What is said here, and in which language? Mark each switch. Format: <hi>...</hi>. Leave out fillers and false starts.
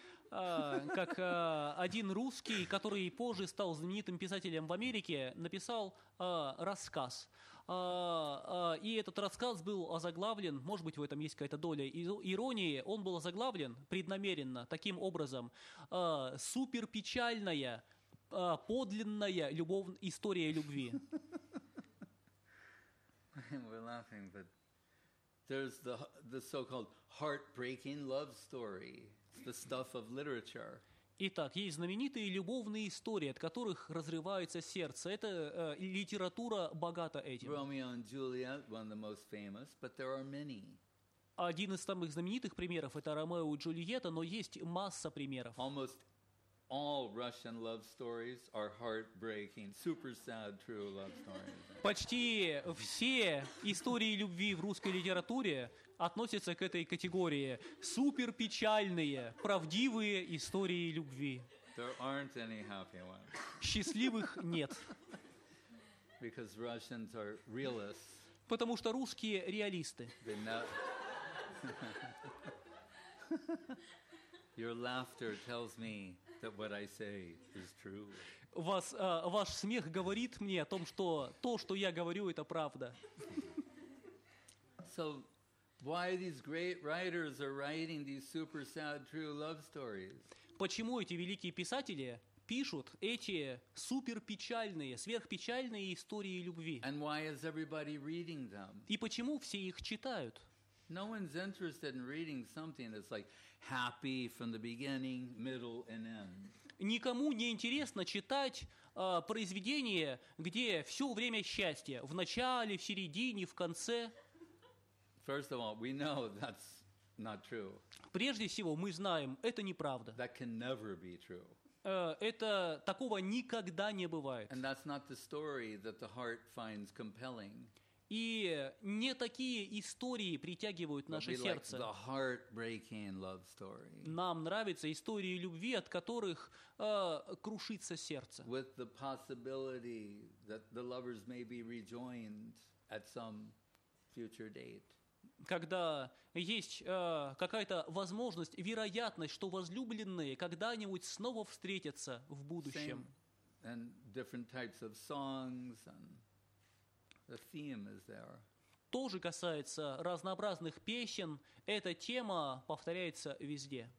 <ru>Как один русский, который позже стал знаменитым писателем в Америке, написал рассказ. И этот рассказ был озаглавлен, может быть, в этом есть какая-то доля иронии, он был озаглавлен преднамеренно таким образом. Супер печальная, подлинная история любви.</ru> <en>We're laughing, but there's the so-called heartbreaking love story. It's the stuff of literature.</en> <ru>Итак, есть знаменитые любовные истории, от которых разрывается сердце. Это литература богата этим.</ru> <en>Romeo and Juliet, one of the most famous, but there are many.</en> <ru>Один из самых знаменитых примеров это Ромео и Джульетта, но есть масса примеров.</ru> <en>Almost all Russian love stories are heartbreaking, super sad, true love stories.</en> <ru>Почти все истории любви в русской литературе относятся к этой категории. Супер печальные, правдивые истории любви.</ru> <en>There aren't any happy ones.</en> <ru>Счастливых нет.</ru> <en>Because Russians are realists.</en> <ru>Потому что русские реалисты.</ru> <en>Your laughter tells me that what I say is true.</en> <ru>Вас, ваш смех говорит мне о том, что то, что я говорю, это правда.</ru> <en>So why these great writers are writing these super sad true love stories?</en> <ru>Почему эти великие писатели пишут эти суперпечальные, сверхпечальные истории любви?</ru> <en>And why is everybody reading them?</en> <ru>И почему все их читают?</ru> <en>No one's interested in reading something that's like happy from the beginning, middle, and end.</en> <ru>Никому не интересно читать произведение, где все время счастье в начале, в середине, в конце.</ru> <en>First of all, we know that's not true.</en> <ru>Прежде всего, мы знаем, это неправда.</ru> <en>That can never be true.</en> <ru>Это такого никогда не бывает.</ru> <en>And that's not the story that the heart finds compelling.</en> <ru>И не такие истории притягивают наше сердце.</ru> <en>Like the heart-breaking love story.</en> <ru>Нам нравятся истории любви, от которых крушится сердце.</ru> <en>With the possibility that the lovers may be rejoined at some future date.</en> <ru>Когда есть какая-то возможность, вероятность, что возлюбленные когда-нибудь снова встретятся в будущем.</ru> <en>Same, and different types of songs and the theme is there.</en> <ru>Тоже касается разнообразных песен, эта тема повторяется везде.</ru>